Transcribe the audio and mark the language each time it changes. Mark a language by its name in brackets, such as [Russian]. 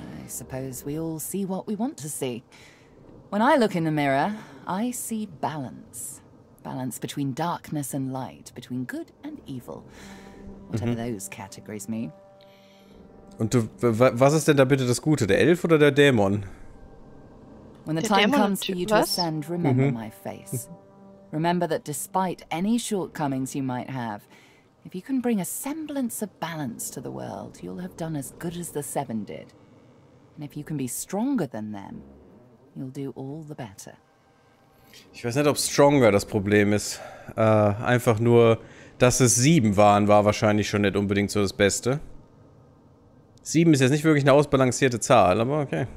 [English] I suppose we all see what we want to see. When I look in the mirror, I see balance. Balance between darkness and light, between good and evil. Whatever those categories mean. [German] Und du, was ist denn da bitte das Gute? Der Elf oder der Dämon? [English] When the time comes for you to ascend, remember my face. Remember that despite any shortcomings you might have, if you can bring a semblance of balance to the world, you'll have done as good as the Seven did. And if you can be stronger than them, you'll do all the better. [German] Ich weiß nicht, ob stronger das Problem ist. Einfach nur, dass es sieben waren, war wahrscheinlich schon nicht unbedingt so das Beste. Sieben ist jetzt nicht wirklich eine ausbalancierte Zahl, aber okay.